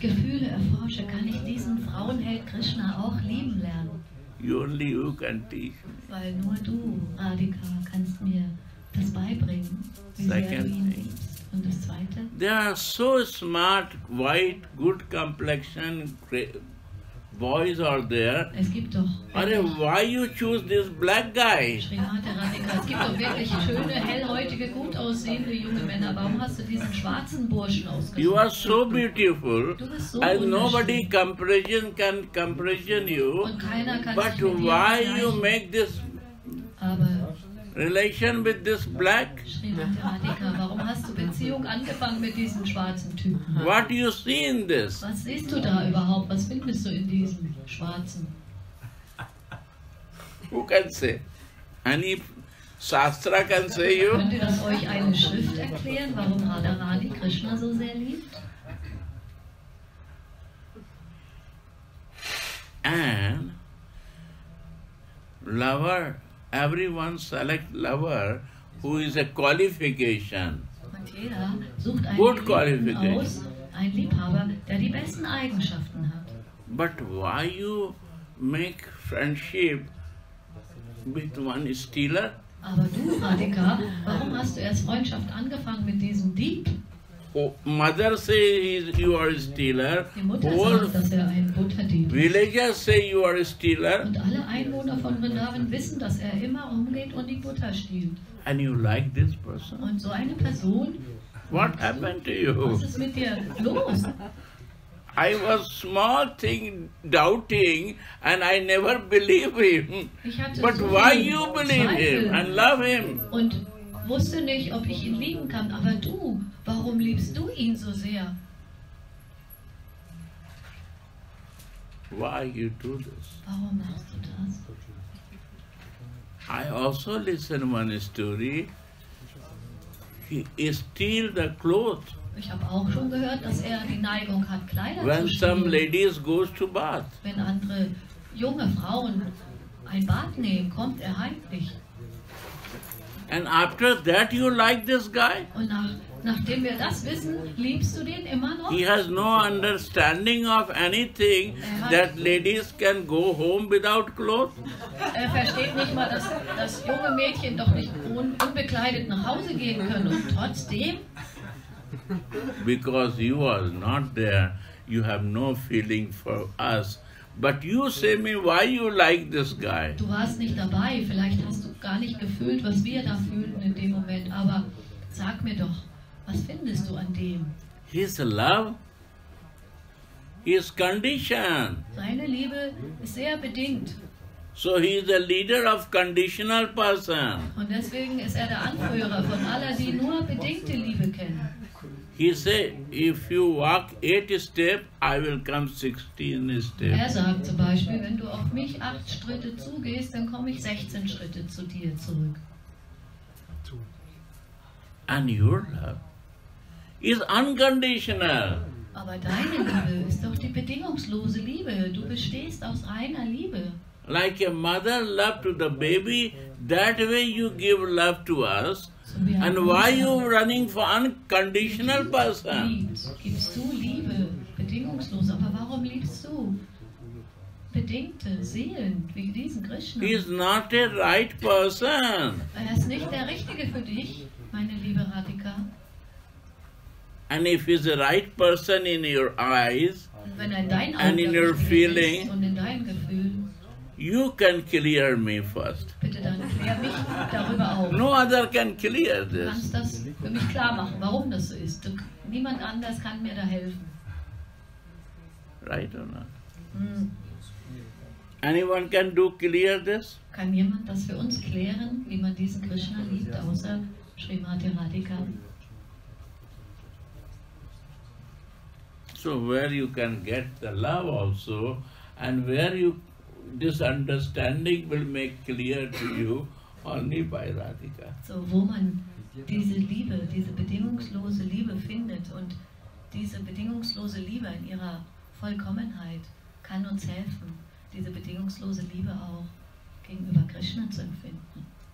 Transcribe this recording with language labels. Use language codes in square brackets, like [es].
[en] Only you can teach me. Second thing. They are so smart, white, good complexion, great boys are there. [de] Es gibt doch [en] Are why you choose this black guy? [de] Es gibt doch wirklich schöne, hellhäutige, gut aussehende junge Männer. Warum hast du diesen schwarzen Burschen ausgesucht? [en] You are so beautiful. [de] Du bist so [en] and nobody comparison can comparison you. [de] Und keiner kann [en] but why you make this [de] Aber [en] relation with this black? [de] Warum hast du Beziehung angefangen mit diesem schwarzen Typen? [en] What do you see in this? [de] Was siehst du da überhaupt? Was findest du in diesem schwarzen? [en] Who can say? Any Shastra can say you? [de] Könnt ihr das euch eine Schrift erklären, warum Radharani Krishna so sehr liebt? [en] And lover. Everyone select lover who is a qualification. [de] Und jeder sucht einen [en] good qualification. [de] Aus, einen Liebhaber, der die besten Eigenschaften hat. [en] But why you make friendship with one stealer? [de] Aber du, Radhika, warum hast du erst Freundschaft angefangen mit diesem Dieb? [en] Oh, mother say you are a stealer. [de] Die Mutter sagt, dass er ein Butterdieb. [en] Villagers say you are a stealer. [de] Und alle Einwohner von Vrindavan wissen, dass er immer umgeht und die Butter stiehlt. [en] And you like this person? [de] Und so eine Person? [en] What happened to you? [de] Was ist mit dir los? [en] I was small thing doubting and I never believe him. But so why you believe him and love him? [de] Und wusste nicht, ob ich ihn lieben kann, aber du. Warum liebst du ihn so sehr? [en] Why you do this? [de] Warum machst du das? [en] I also listen one story. He steal the clothes. [de] Ich habe auch schon gehört, dass er die Neigung hat, Kleider [en] when [de] zu stehlen. [en] Some ladies goes to bath. [de] Wenn andere junge Frauen ein Bad nehmen, kommt er heimlich. [en] And after that you like this guy? [de] Und nachdem wir das wissen, liebst du den immer noch? [en] He has no understanding of anything that ladies can go home without clothes. [de] Er versteht nicht mal, dass junge Mädchen doch nicht unbekleidet nach Hause gehen können. Und trotzdem? [en] Because you are not there, you have no feeling for us. But you say me, why you like this guy? [de] Du warst nicht dabei, vielleicht hast du gar nicht gefühlt, was wir da fühlten in dem Moment. Aber sag mir doch, was findest du an dem? [en] His love, his condition. [de] Seine Liebe ist sehr bedingt. [en] So he is the leader of conditional person. [de] Und deswegen ist er der Anführer von aller, die nur bedingte Liebe kennen. [en] He said, if you walk 8 steps, I will come 16 steps. [de] Er sagt zum Beispiel, wenn du auf mich 8 Schritte zugehst, dann komme ich 16 Schritte zu dir zurück. [en] And your love is unconditional. [de] Aber deine Liebe ist doch die bedingungslose Liebe. Du bestehst aus reiner Liebe. [en] Like a mother love to the baby, that way you give love to us. And why are you running for unconditional person? [de] Gibst du Liebe, bedingungslos, aber warum liebst du bedingte Seelen wie diesen Krishna? [en] He is not the right person. [de] Er ist nicht der Richtige für dich, meine liebe Radhika. [en] And if he is the right person in your eyes, [de] wenn er dein [en] and in your feeling, [de] und in deinem Gefühl, [en] you can clear me first. [de] Bitte dann klär mich darüber auf. [en] No other can clear this. [de] Du kannst das für mich klar machen, warum das so ist. Niemand anders kann mir da helfen. [en] Right or not? Hmm. Anyone can do clear this? [de] Kann jemand das für uns klären, wie man diesen Krishna liebt, außer Srimati Radhika? [en] So where you can get the love also, and where you this understanding will make clear to you only by Radhika. [de] So, wo man diese Liebe, diese bedingungslose Liebe findet und diese bedingungslose Liebe in ihrer Vollkommenheit, kann uns helfen, diese bedingungslose Liebe auch gegenüber Krishna zu empfinden.